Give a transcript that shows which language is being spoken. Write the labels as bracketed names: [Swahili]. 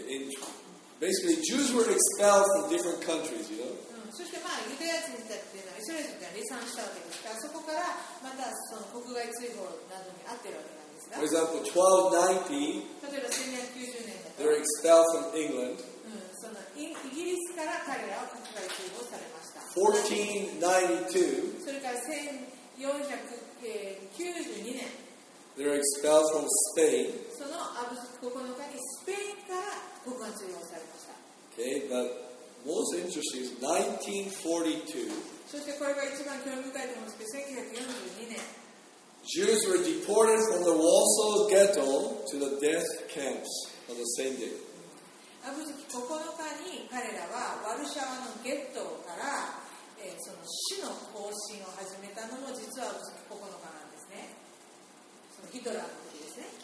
[English] In basically Jews were expelled from different countries, you know? [Japanese] そして、まあ、ユダヤ人たちというのはイスラエルから離散したわけですから、そこからまたその国外追放などにあっているわけなんですが、 [English] For example, 1290, [Japanese] 例えば1290年だと [English] They're expelled from England、 [Japanese] そのイギリスから彼らは国外追放されました。 [English] 1492, [Japanese] それから1492年 [English] They're expelled from Spain、 [Japanese] そのアブ9日にスペインから国外追放されました。 [English] Okay, butMost interesting is 1942. [Japanese] そしてこれが一番興味深いと思うんですけど、1942年。 [English] Jews were deported from the Warsaw Ghetto to the death camps on the same day. [Japanese] アブ月9日に彼らはワルシャワのゲットから、その死の行進を始めたのも実はアブ月9日なんですね。そのヒトラーの時ですね。